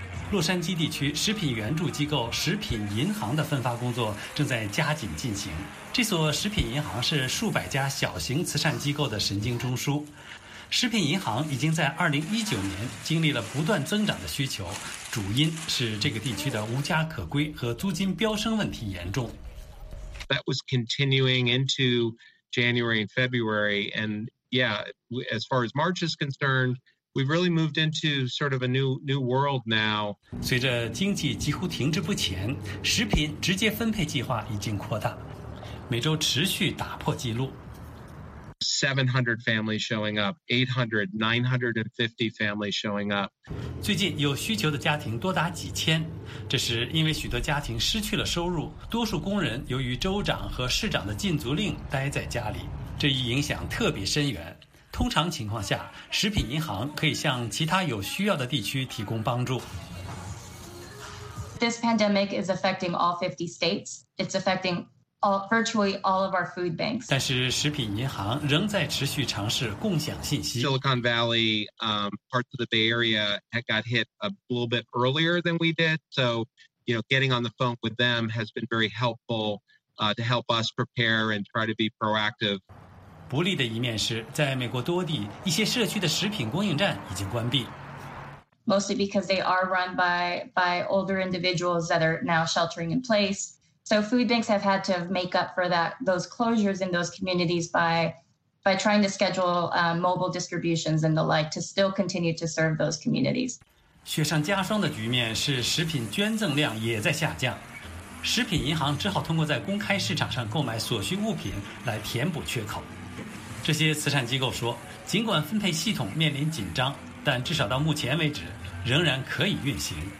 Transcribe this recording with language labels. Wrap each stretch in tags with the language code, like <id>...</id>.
<zh>洛杉矶地区食品援助机构食品银行的分发工作正在加紧进行。这所食品银行是数百家小型慈善机构的神经中枢。食品银行已经在2019年经历了不断增长的需求，主因是这个地区的无家可归和租金飙升问题严重。</zh> <en>That was continuing into January and February, and yeah, as far as March is concerned, we've really moved into sort of a new world now.</en> <zh>随着经济几乎停滞不前，食品直接分配计划已经扩大，每周持续打破记录。</zh> <en>700 families showing up, 800, 950 families showing up.</en> <zh>最近有需求的家庭多达几千，这是因为许多家庭失去了收入，多数工人由于州长和市长的禁足令待在家里，这一影响特别深远。通常情况下，食品银行可以向其他有需要的地区提供帮助。</zh> <en>This pandemic is affecting all 50 states. It's affecting virtually all of our food banks.</en> <zh>但是食品银行仍在持续尝试共享信息。</zh> <en>Silicon Valley, parts of the Bay Area had got hit a little bit earlier than we did. So, you know, getting on the phone with them has been very helpful, to help us prepare and try to be proactive.</en> <zh>不利的一面是，在美国多地，一些社区的食品供应站已经关闭。</zh> <en>Mostly because they are run by older individuals that are now sheltering in place. So food banks have had to make up for that, those closures in those communities by trying to schedule mobile distributions and the like to still continue to serve those communities.</en> <zh>雪上加霜的局面是食品捐赠量也在下降，食品银行只好通过在公开市场上购买所需物品来填补缺口。这些慈善机构说，尽管分配系统面临紧张，但至少到目前为止仍然可以运行。</zh>